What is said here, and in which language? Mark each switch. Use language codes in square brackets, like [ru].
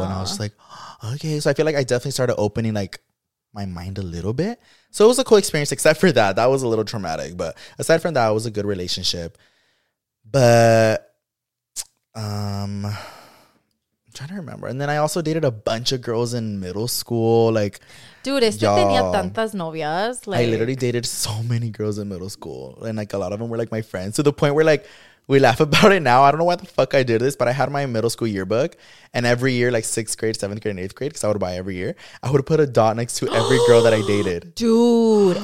[en] Aww. And I was just like, okay. So I feel like I definitely started opening like my mind a little bit. So it was a cool experience, except for that. That was a little traumatic. But aside from that, it was a good relationship. But trying to remember. And then I also dated a bunch of girls in middle school. Like, [es] dude, este tenía tantas novias. [en] Like, I literally dated so many girls in middle school. And like a lot of them were like my friends, to the point where like we laugh about it now. I don't know why the fuck I did this, but I had my middle school yearbook. And every year, like 6th grade, 7th grade, and 8th grade, because I would buy every year, I would put a dot next to every girl that I dated. Dude.